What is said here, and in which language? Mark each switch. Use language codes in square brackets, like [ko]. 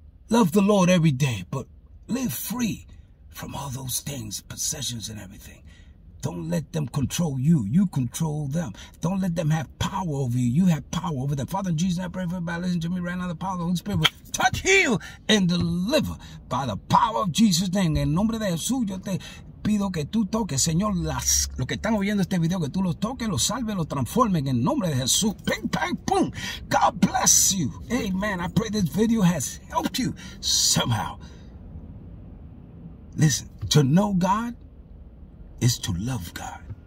[en] Love the Lord every day, but live free from all those things, possessions and everything. Don't let them control you. You control them. Don't let them have power over you. You have power over them. Father, in Jesus, I pray for everybody. Listen to me right now. The power of the Holy Spirit will touch, heal, and deliver by the power of Jesus' name. [es] En nombre de Jesús, yo te pido que tú toques, Señor, los que están oyendo este video, que tú los toques, los salves, los transformes. En nombre de Jesús. [en] Ping, bang, boom. God bless you. Amen. I pray this video has helped you somehow. Listen, to know God is to love God.